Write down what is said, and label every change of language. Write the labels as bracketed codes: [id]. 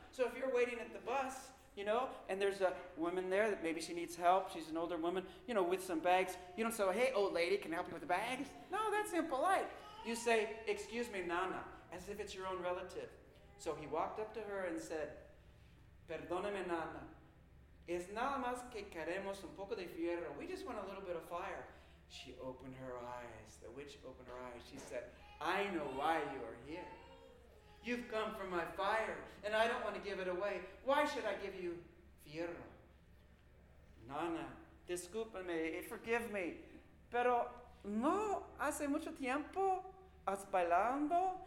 [en] So if you're waiting at the bus, you know, and there's a woman there that maybe she needs help, she's an older woman, you know, with some bags, you don't say, hey, old lady, can I help you with the bags? No, that's impolite. You say, excuse me, nana, as if it's your own relative. So he walked up to her and said, [es] Perdóname, Nana. Es nada más que queremos un poco de fierro. [en] We just want a little bit of fire. She opened her eyes. The witch opened her eyes. She said, I know why you are here. You've come for my fire, and I don't want to give it away. Why should I give you fierro? Nana, discúlpame, forgive me. [es] Pero no hace mucho tiempo has bailando.